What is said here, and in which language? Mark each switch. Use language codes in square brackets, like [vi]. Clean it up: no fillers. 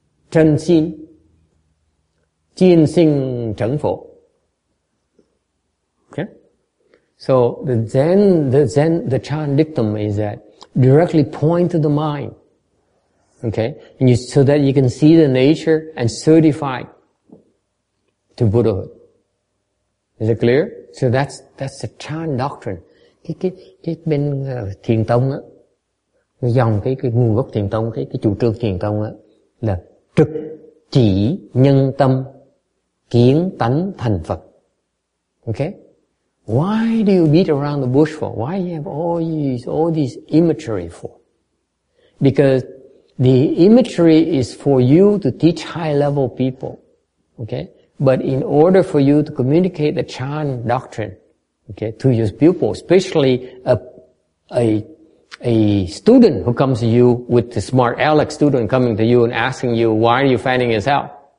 [en] Chân xin, chiên sinh trấn phổ. Okay? So the Chan dictum is that directly point to the mind. Okay? And you, so that you can see the nature and certify to Buddhahood. Is it clear? So that's the Chan doctrine. [vi] Cái bên thiền tông á, dòng cái nguồn gốc thiền tông, cái chủ trương thiền tông á, là trực chỉ nhân tâm, kiến tánh thành Phật. [en] Okay? Why do you beat around the bush for? Why do you have all these imagery for? Because the imagery is for you to teach high level people. Okay? But in order for you to communicate the Chan doctrine, okay, to your pupil, especially a student who comes to you with the smart aleck student coming to you and asking you, why are you finding yourself?